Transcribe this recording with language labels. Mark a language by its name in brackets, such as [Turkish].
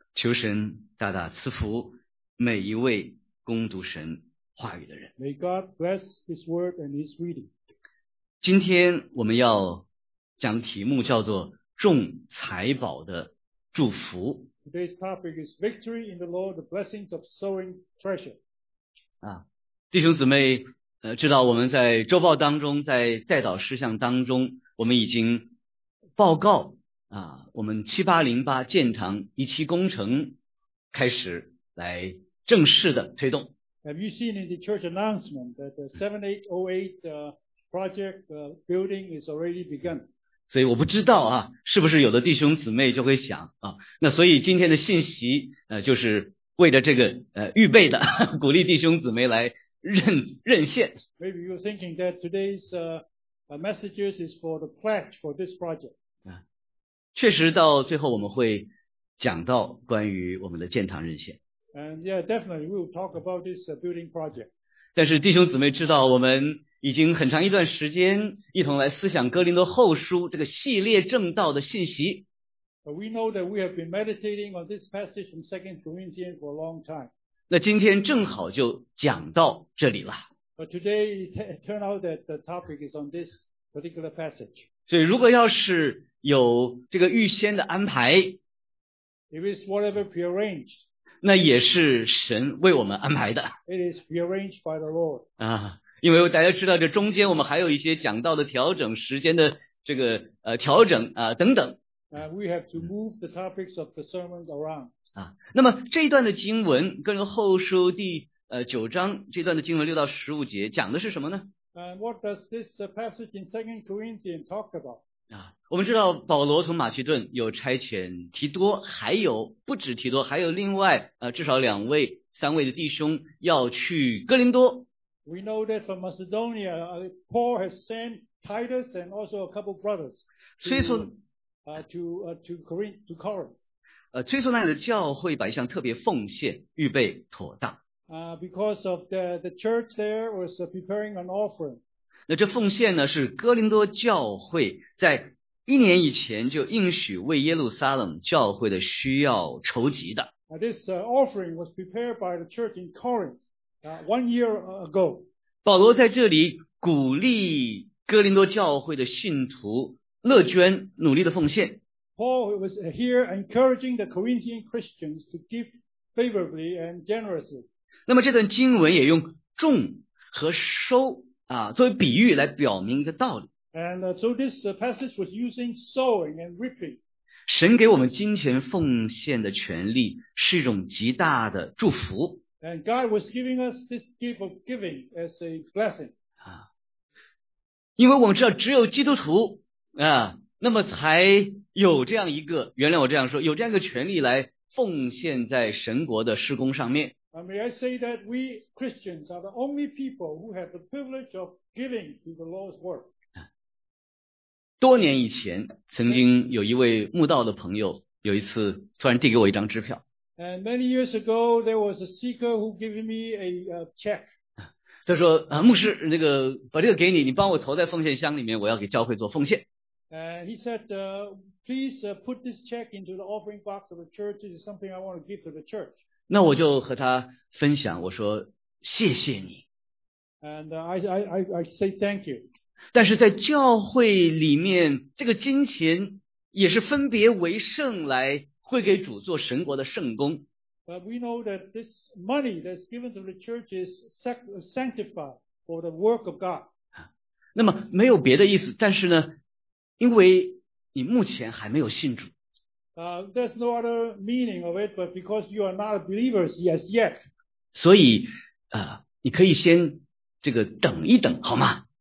[Chinese] 求神大大赐福每一位攻读神话语的人。 [English] May God bless his word and his reading. [Chinese] 今天我们要讲题目叫做众财宝的祝福。 [English] Today's topic is victory in the Lord, the blessings of sowing treasure. [Chinese] 啊，弟兄姊妹，知道我们在周报当中，在代祷事项当中，我们已经报告啊，我们7808建堂一期工程开始来正式的推动。 [English] Have you seen in the church announcement that the 7808 project building is already begun? [Chinese] 所以我不知道啊，是不是有的弟兄姊妹就会想啊，那所以今天的信息就是为了这个预备的，鼓励弟兄姊妹来任现。 [English] Maybe you're thinking that today's messages is for the pledge for this project. [Chinese] 确实到最后我们会讲到关于我们的建堂任现。 [English] And yeah, definitely we'll talk about this building project. [Chinese] 但是弟兄姊妹知道我们已经很长一段时间一同来思想哥林多后书这个系列正道的信息。 [English] But we know that we have been meditating on this passage from 2 Corinthians for a long time. [Chinese] 那今天正好就讲到这里了。 [English] But today it turned out that the topic is on this particular passage. [Chinese] 所以如果要是有这个预先的安排， [English] If it's whatever prearranged, [Chinese] 那也是神为我们安排的。 [English] It is prearranged by the Lord. [Chinese] 啊，因为大家知道这中间我们还有一些讲道的调整，时间的这个调整啊等等。 [English] We have to move the topics of the sermon around. [Chinese] 啊，那么这一段的经文，哥林多后书第九章这段的经文6到15节讲的是什么呢？ [English] What does this passage in 2 Corinthians talk about? [Chinese] 啊，我们知道保罗从马其顿有差遣提多，还有不止提多，还有另外至少两位三位的弟兄要去哥林多。 [English] We know that from Macedonia, Paul has sent Titus and also a couple brothers to Corinth. [Chinese] 催促那里的教会把一项特别奉献预备妥当。 [English] Because of the church there was preparing an offering. [Chinese] 那这奉献呢是哥林多教会在一年以前就应许为耶路撒冷教会的需要筹集的。 This offering was prepared by the church in Corinth. [English] One year ago, [Chinese] 保罗在这里鼓励哥林多教会的信徒乐捐，努力的奉献。 [English] Paul was here encouraging the Corinthian Christians to give favorably and generously. [Chinese] 那么这段经文也用种和收啊作为比喻来表明一个道理。 [English] And so this passage was using sowing and reaping. [Chinese] 神给我们金钱奉献的权利是一种极大的祝福。 [English] And God was giving us this gift of giving as a blessing. [Chinese] 因为我们知道只有基督徒啊，那么才有这样一个，原谅我这样说，有这样一个权利来奉献在神国的事工上面。 [English] May I say that we Christians are the only people who have the privilege of giving to the Lord's work. [Chinese] 多年以前，曾经有一位慕道的朋友，有一次突然递给我一张支票。 [English] And many years ago, there was a seeker who gave me a check. [Chinese] 他说啊，牧师，那个把这个给你，你帮我投在奉献箱里面，我要给教会做奉献。 [English] And he said, please put this check into the offering box of the church. It is something I want to give to the church. [Chinese] 那我就和他分享，我说谢谢你。 [English] And I say thank you. [Chinese] 但是在教会里面，这个金钱也是分别为圣来。会给主做神国的圣工。 [English] But we know that this money that's given to the church is sanctified for the work of God. [Chinese] 那么没有别的意思，但是呢，因为你目前还没有信主。 [English] There's no other meaning of it, but because you are not believers as yet. [Chinese] 所以你可以先这个等一等，好吗？